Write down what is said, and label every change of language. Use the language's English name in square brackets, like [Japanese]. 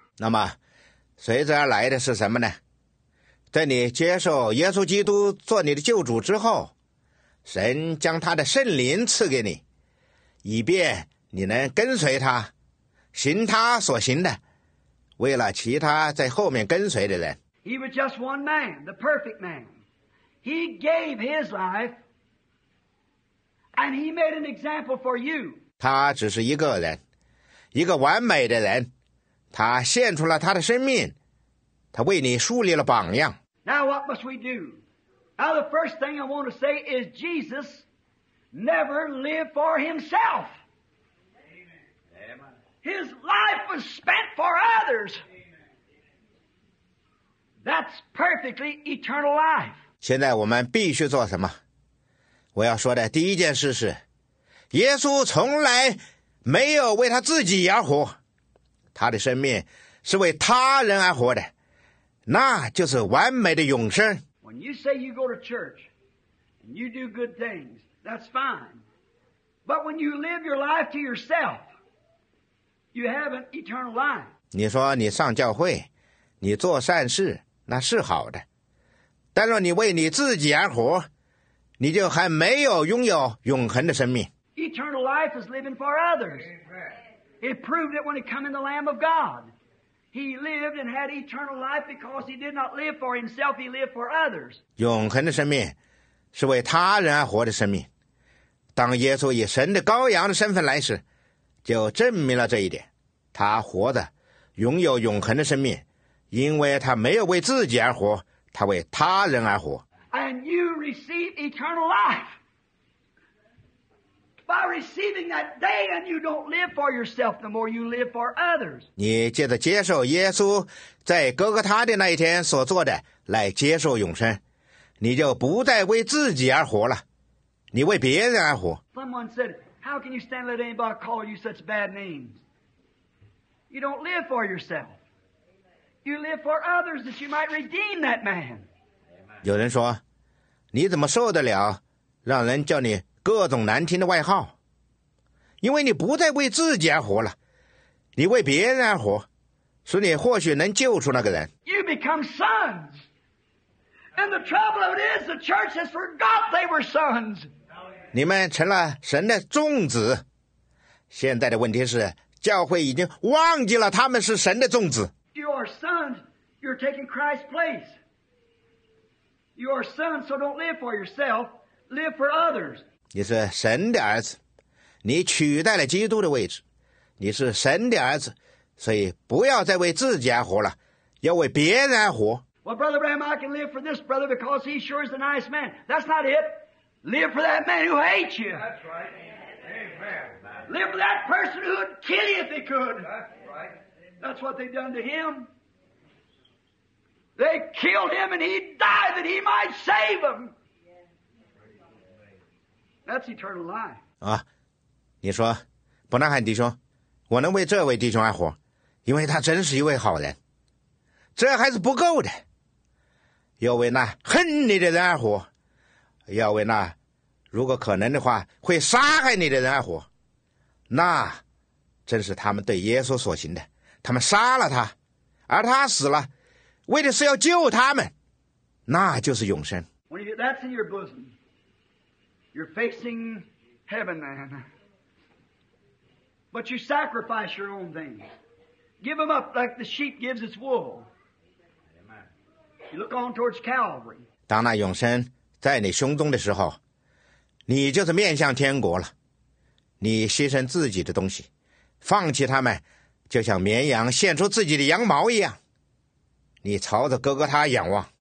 [Chinese] 那么，随之而来的是什么呢？在你接受耶稣基督做你的救主之后，神将他的圣灵赐给你，以便你能跟随他，行他所行的。为了其他在后面跟随的人。 [English] He was just one man, the perfect man. He gave his life, and he made an example for you. [Chinese] 他只是一个人，一个完美的人，他献出了他的生命，他为你树立了榜样。 [English] Now what must we do? Now the first thing I want to say is Jesus never lived for himself. His life was spent for others. That's perfectly eternal life. [Chinese] 现在我们必须做什么？我要说的第一件事是，耶稣从来没有为他自己而活，他的生命是为他人而活的，那就是完美的永生。 [English] When you say you go to church and you do good things, that's fine. But when you live your life to yourself,You have an eternal life. [Chinese] 你说你上教会，你做善事，那是好的。但若你为你自己而活，你就还没有拥有永恒的生命。 [English] Eternal life is living for others. It proved it when he came in the Lamb of God. He lived and had eternal life because he did not live for himself, he lived for others. [Chinese] 永恒的生命是为他人而活的生命。当耶稣以神的羔羊的身份来时，就证明了这一点，他活的拥有永恒的生命，因为他没有为自己而活，他为他人而活。 [English] And you receive eternal life by receiving that day, and you don't live for yourself no more, you live for others. [Chinese] 你借着接受耶稣在哥哥他的那一天所做的来接受永生，你就不再为自己而活了，你为别人而活。 [English] Someone said,How can you stand let anybody call you such bad names? You don't live for yourself. You live for others that you might redeem that man. [Chinese] 有人说，你怎么受得了让人叫你各种难听的外号？因为你不再为自己而活了，你为别人而活，所以你或许能救出那个人。 [English] You become sons. And the trouble of it is the church has forgot they were sons. [Chinese] 你们成了神的众子。现在的问题是教会已经忘记了他们是神的众子。 [English] You are sons, you're taking Christ's place. You are sons, so don't live for yourself, live for others. [Chinese] 你是神的儿子，你取代了基督的位置。你是神的儿子，所以不要再为自己而活了，要为别人而活。 [English] Well, Brother Bram, I can live for this brother because he sure is a nice man. That's not it. Live for that man who hates you. That's right. Amen. Live for that person who would kill you if he could. That's what they've done to him. They killed him and he died that he might save them. That's eternal life. [Chinese] 啊，你说，伯纳汉弟兄，我能为这位弟兄而活，因为他真是一位好人，这还是不够的，要为那恨你的人而活，要为那如果可能的话会杀害你的人而活，那真是他们对耶稣所行的，他们杀了他，而他死了，为的是要救他们，那就是永生。 [English] When you get that in your bosom, you're facing heaven, man. But you sacrifice your own things. Give them up like the sheep gives its wool. You look on towards Calvary. [Chinese] 当那永生在你胸中的时候，你就是面向天国了。你牺牲自己的东西，放弃他们。就像绵羊献出自己的羊毛一样，你朝着哥哥他仰望。